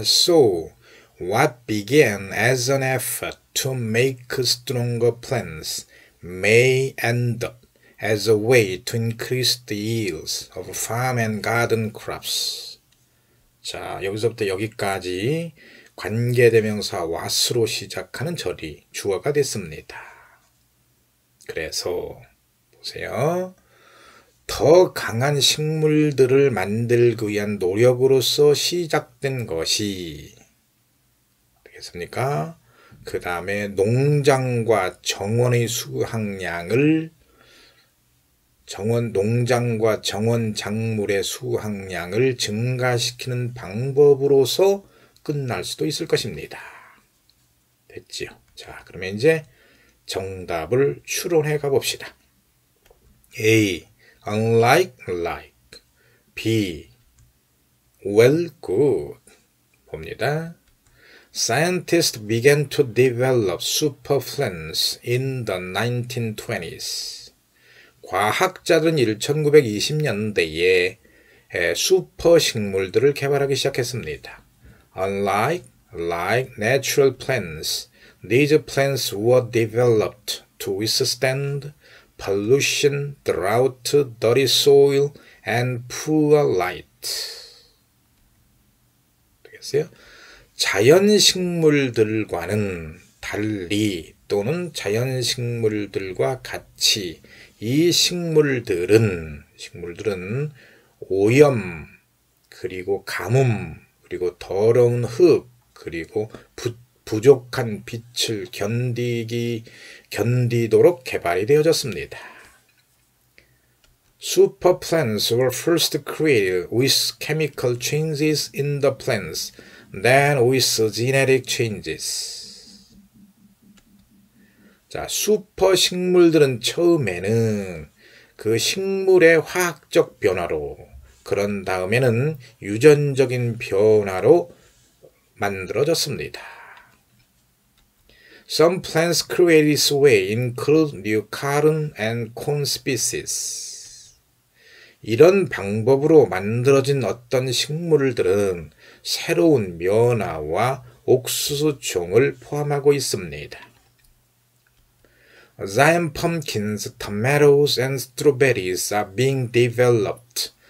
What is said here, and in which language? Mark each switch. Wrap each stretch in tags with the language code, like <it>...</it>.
<en>So, what began as an effort to make stronger plants may end up as a way to increase the yields of farm and garden crops.</en> <ko>자, 여기서부터 여기까지. 관계대명사 was로 시작하는 절이 주어가 됐습니다. 그래서 보세요. 더 강한 식물들을 만들기 위한 노력으로서 시작된 것이 되겠습니까? 그 다음에 농장과 정원의 수확량을 농장과 정원 작물의 수확량을 증가시키는 방법으로서 끝날 수도 있을 것입니다. 됐지요? 자, 그러면 이제 정답을 추론해 가봅시다.</ko> <en>A. Unlike. B. Well, good.</en> <ko>봅니다.</ko> <en>Scientists began to develop super plants in the 1920s.</en> <ko>과학자들은 1920년대에 슈퍼 식물들을 개발하기 시작했습니다.</ko> <en>Unlike natural plants, these plants were developed to withstand pollution, drought, dirty soil, and poor light.</en> <ko>되겠어요? 자연 식물들과는 달리 또는 자연 식물들과 같이 이 식물들은 오염, 그리고 가뭄, 그리고 더러운 흙, 그리고 부족한 빛을 견디도록 개발이 되어졌습니다.</ko> <en>Super plants were first created with chemical changes in the plants, then with genetic changes.</en> <ko>자, 슈퍼 식물들은 처음에는 그 식물의 화학적 변화로 그런 다음에는 유전적인 변화로 만들어졌습니다.</ko> <en>Some plants created this way include new cotton and corn species.</en> <ko>이런 방법으로 만들어진 어떤 식물들은 새로운 면화와 옥수수 종을 포함하고 있습니다.</ko> <en>Giant pumpkins, tomatoes, and strawberries are being developed.</en>